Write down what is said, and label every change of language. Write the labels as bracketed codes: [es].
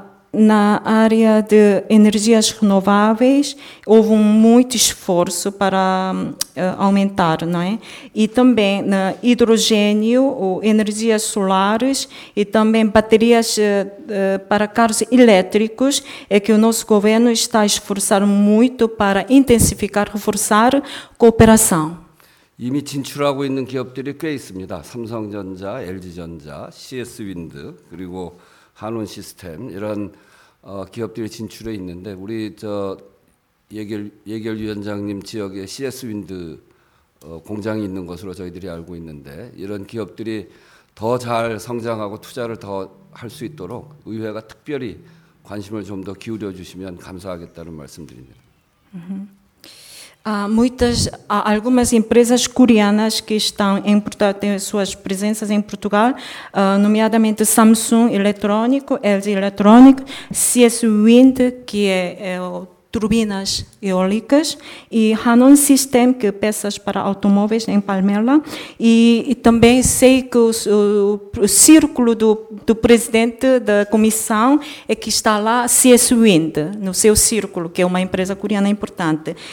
[pt] Na área de energias renováveis, houve muito esforço para aumentar, não é? E também no hidrogênio, ou energias solares, e também baterias para carros elétricos, é que o nosso governo está a esforçar muito para intensificar, reforçar cooperação. [ko] 이미 진출하고 있는 기업들이 꽤 있습니다. 삼성전자, LG전자, CS윈드, 그리고 한온시스템 이런 기업들이 진출해 있는데 우리 저 예결 위원장님 지역에 CS윈드 공장이 있는 것으로 저희들이 알고 있는데 이런 기업들이 더 잘 성장하고 투자를 더 할 수 있도록 의회가 특별히 관심을 좀 더 기울여 주시면 감사하겠다는 말씀드립니다. [pt] Há algumas empresas coreanas que estão em Portugal, têm suas presenças em Portugal, nomeadamente Samsung Eletrônico, LG Eletrônico, CS Wind, que é turbinas eólicas, e Hanon System, que é peças para automóveis em Palmela, e também sei que o círculo do presidente da comissão é que está lá, CS Wind, no seu círculo, que é uma empresa coreana importante.